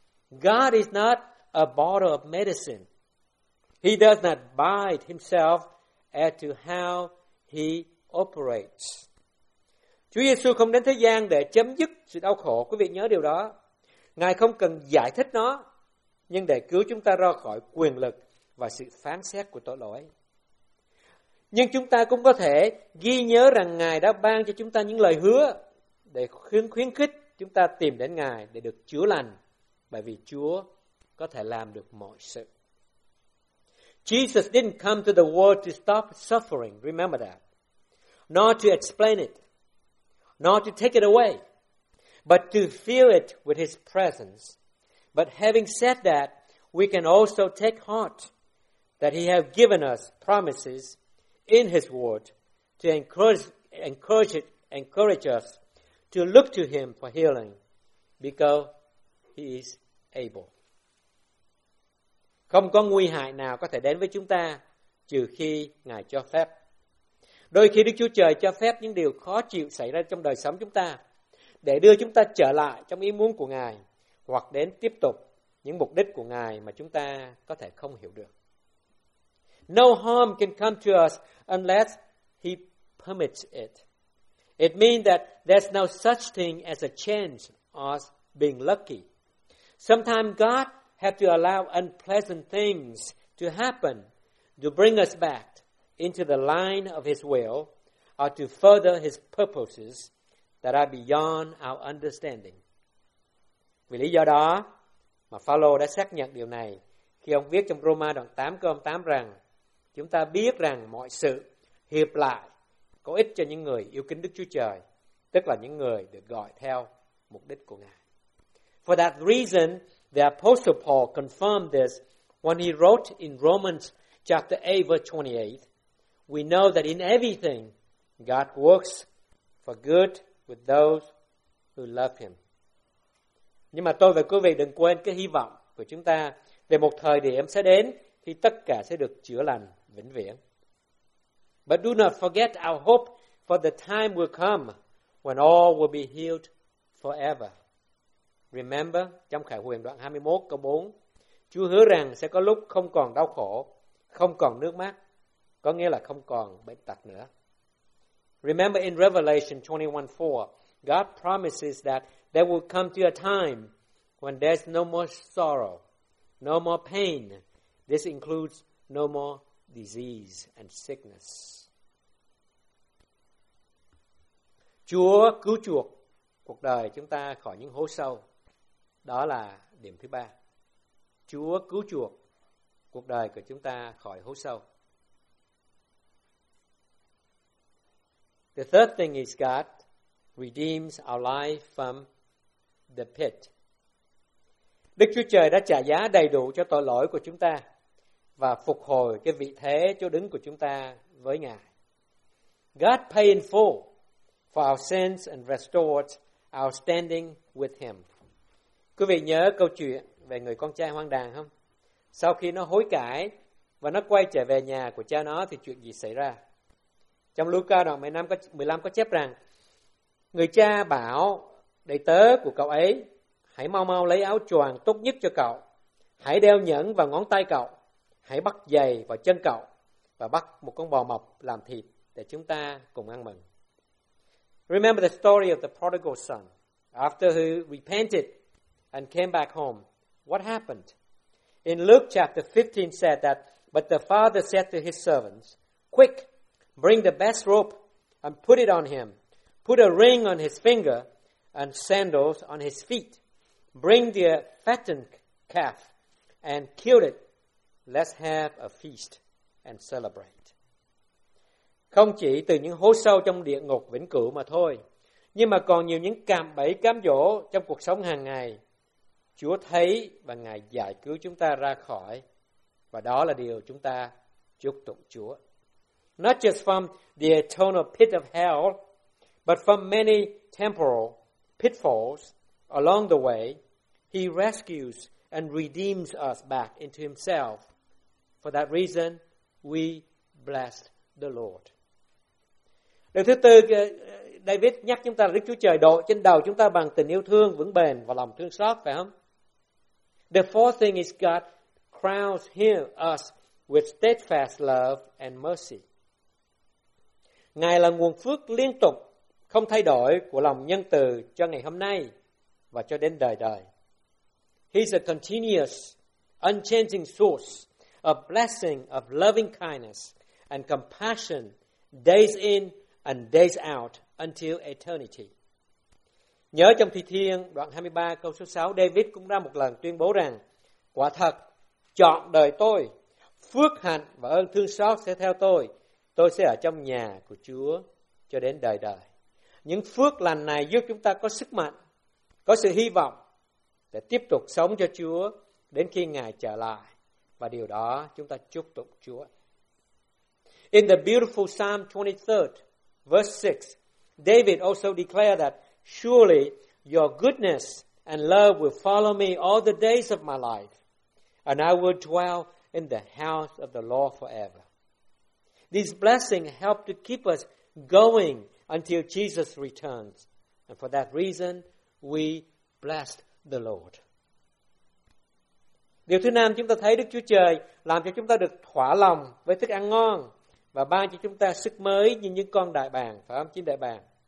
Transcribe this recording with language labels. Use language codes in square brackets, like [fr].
[en] God is not a bottle of medicine. He does not bind himself as to how he operates. [vi] Chúa Giêsu không đến thế gian để chấm dứt sự đau khổ, quý vị nhớ điều đó. Ngài không cần giải thích nó, nhưng để cứu chúng ta ra khỏi quyền lực và sự phán xét của tội lỗi. Nhưng chúng ta cũng có thể ghi nhớ rằng Ngài đã ban cho chúng ta những lời hứa để khuyến khích chúng ta tìm đến Ngài để được chữa lành, bởi vì Chúa có thể làm được mọi sự. [en] Jesus didn't come to the world to stop suffering, remember that. Nor to explain it, nor to take it away, but to fill it with his presence. But having said that, we can also take heart that he has given us promises in his word to encourage us to look to him for healing because he is able. [vi] Không có nguy hại nào có thể đến với chúng ta trừ khi Ngài cho phép. Đôi khi Đức Chúa Trời cho phép những điều khó chịu xảy ra trong đời sống chúng ta để đưa chúng ta trở lại trong ý muốn của Ngài hoặc đến tiếp tục những mục đích của Ngài mà chúng ta có thể không hiểu được. [en] No harm can come to us unless he permits it. It means that there's no such thing as a chance or being lucky. Sometimes God have to allow unpleasant things to happen to bring us back into the line of his will or to further his purposes that are beyond our understanding. [vi] Vì lý do đó mà Phaolô đã xác nhận điều này khi ông viết trong Roma đoạn 8 câu 8 rằng chúng ta biết rằng mọi sự hiệp lại có ích cho những người yêu kính Đức Chúa Trời, tức là những người được gọi theo mục đích của Ngài. [en] For that reason, the Apostle Paul confirmed this when he wrote in Romans chapter 8, verse 28, we know that in everything God works for good with those who love him. [vi] Nhưng mà tôi và quý vị đừng quên cái hy vọng của chúng ta về một thời điểm sẽ đến khi tất cả sẽ được chữa lành vĩnh viễn. [en] But do not forget our hope for the time will come when all will be healed forever. Remember, [vi] trong Khải Huyền đoạn 21 câu 4, Chúa hứa rằng sẽ có lúc không còn đau khổ, không còn nước mắt, có nghĩa là không còn bệnh tật nữa. [en] Remember in Revelation 21:4, God promises that there will come to a time when there's no more sorrow, No more pain. This includes no more disease and sickness. [vi] Chúa cứu chuộc cuộc đời chúng ta khỏi những hố sâu. Đó là điểm thứ ba. Chúa cứu chuộc cuộc đời của chúng ta khỏi hố sâu. [en] The third thing is God redeems our life from the pit. [vi] Đức Chúa Trời đã trả giá đầy đủ cho tội lỗi của chúng ta và phục hồi cái vị thế chỗ đứng của chúng ta với Ngài. [en] God paid in full for our sins and restored our standing with Him. [vi] Quý vị nhớ câu chuyện về người con trai hoang đàng không? Sau khi nó hối cải và nó quay trở về nhà của cha nó thì chuyện gì xảy ra? Trong Luca đoạn 15 có chép rằng người cha bảo đầy tớ của cậu ấy, hãy mau mau lấy áo choàng tốt nhất cho cậu, hãy đeo nhẫn vào ngón tay cậu, hãy bắt giày vào chân cậu và bắt một con bò mọc làm thịt để chúng ta cùng ăn mừng. [en] Remember the story of the prodigal son. After he repented and came back home, what happened? In Luke chapter 15 said that, but the father said to his servants, quick, bring the best robe and put it on him. Put a ring on his finger and sandals on his feet. Bring the fattened calf and kill it. Let's have a feast and celebrate. [vi] Không chỉ từ những hố sâu trong địa ngục vĩnh cửu mà thôi, nhưng mà còn nhiều những cạm bẫy cám dỗ trong cuộc sống hàng ngày. Chúa thấy và Ngài giải cứu chúng ta ra khỏi, và đó là điều chúng ta chúc tụng Chúa. [en] Not just from the eternal pit of hell, but from many temporal pitfalls along the way, He rescues and redeems us back into Himself. For that reason, we bless the Lord. [vi] Điều thứ tư, David nhắc chúng ta là Đức Chúa Trời đội trên đầu chúng ta bằng tình yêu thương vững bền và lòng thương xót, phải không? [en] The fourth thing is God crowns him us with steadfast love and mercy. [vi] Ngài là nguồn phước liên tục, không thay đổi của lòng nhân từ cho ngày hôm nay và cho đến đời đời. [en] He's a continuous, unchanging source of blessing, of loving kindness and compassion, days in and days out until eternity. [vi] Nhớ trong Thi Thiên đoạn 23 câu số 6, David cũng đã một lần tuyên bố rằng, quả thật, chọn đời tôi, phước hạnh và ơn thương xót sẽ theo tôi sẽ ở trong nhà của Chúa cho đến đời đời. Những phước lành này giúp chúng ta có sức mạnh, có sự hy vọng để tiếp tục sống cho Chúa đến khi Ngài trở lại. Và điều đó chúng ta chúc tụng Chúa. [en] In the beautiful Psalm 23, verse 6, David also declared that surely your goodness and love will follow me all the days of my life, and I will dwell in the house of the Lord forever. These blessings help to keep us going until Jesus returns, and for that reason, we bless the Lord. [vi] Điều thứ năm, chúng ta thấy Đức Chúa Trời làm cho chúng ta được thỏa lòng với thức ăn ngon và ban cho chúng ta sức mới như những con đại bàng, phải không, chim đại bàng?